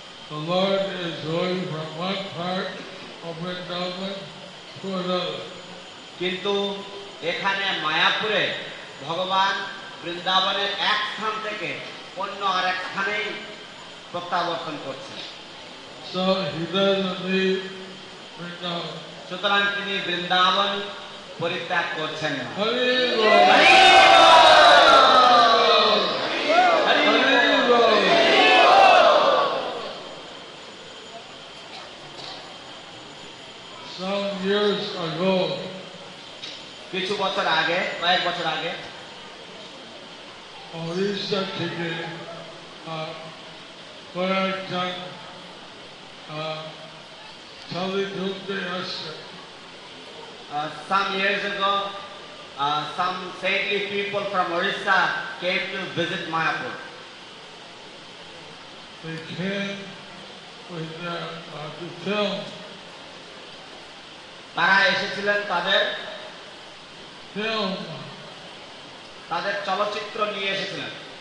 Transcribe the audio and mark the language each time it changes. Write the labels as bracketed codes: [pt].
[en] The Lord is going from one part of Vrindavan to another. [bn] কিন্তু এখানে মায়াপুরে ভগবান বৃন্দাবনের এক স্থান থেকে অন্য আরেক স্থানে প্রত্যাবর্তন করছেন। [en] So he doesn't leave Vrindavan. [bn] সুতরাং তিনি বৃন্দাবন পরিত্যাগ করছেন না। হরি বল। হরি বল। হরি বল। কিছু বছর আগে, কয়েক বছর আগে, ওড়িশা থেকে কয়েকজন ছবি ঢুকতে আসছে। [en] Some years ago, some saintly people from Orissa came to visit Mayapur. They came with their film. [bn] তারা এসেছিলেন তাদের তাদের চলচ্চিত্র নিয়ে এসেছিলেন।